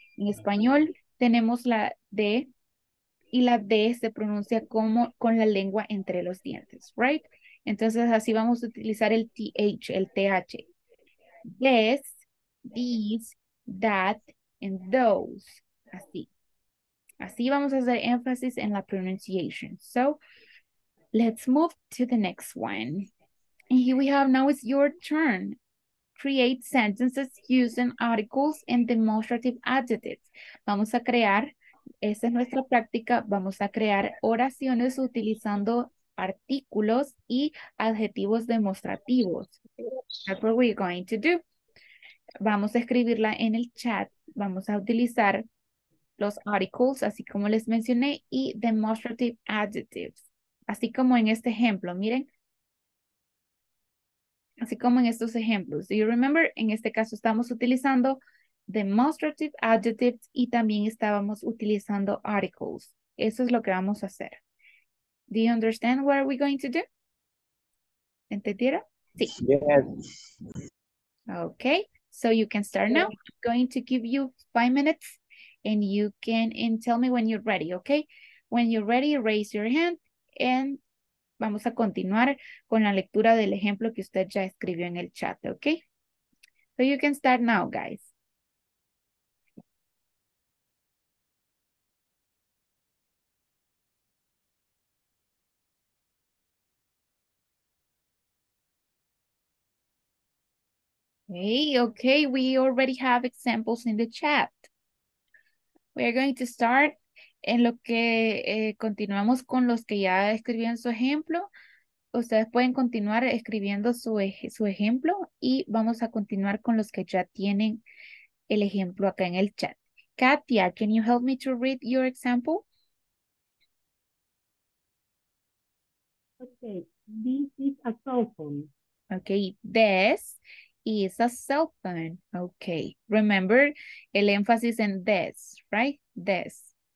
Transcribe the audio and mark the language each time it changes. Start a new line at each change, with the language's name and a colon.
Spanish: En español tenemos la D y la D se pronuncia como con la lengua entre los dientes,
English: right?
Spanish: Entonces, así vamos a utilizar el TH, el TH.
English: This, these, that, and those. Así.
Spanish: Así vamos a hacer énfasis en la pronunciation.
English: So, let's move to the next one. And here we have, now it's your turn. Create sentences using articles and demonstrative adjectives.
Spanish: Vamos a crear, esa es nuestra práctica, vamos a crear oraciones utilizando artículos y adjetivos demostrativos.
English: That's what we're going to do.
Spanish: Vamos a escribirla en el chat. Vamos a utilizar los articles, así como les mencioné, y demonstrative adjectives. Así como en este ejemplo, miren. Así como en estos ejemplos.
English: Do you remember?
Spanish: En este caso estamos utilizando demonstrative adjectives y también estábamos utilizando articles. Eso es lo que vamos a hacer.
English: Do you understand what are we going to do?
Spanish: ¿Entendieron? Sí.
English: Yes. Okay, so you can start now. I'm going to give you 5 minutes and you can and tell me when you're ready, okay? When you're ready, raise your hand and
Spanish: vamos a continuar con la lectura del ejemplo que usted ya escribió en el chat, okay? So you can start now, guys. Okay, we already have examples in the chat.
English: We are going to start
Spanish: en lo que continuamos con los que ya escribieron su ejemplo. Ustedes pueden continuar escribiendo su ejemplo y vamos a continuar con los que ya tienen el ejemplo acá en el chat.
English: Katia, can you help me to read your example? Okay, this is a cover for the iPhone. Okay, this is a cell phone. Okay. Remember,
Spanish: el énfasis en
English: this, right? This.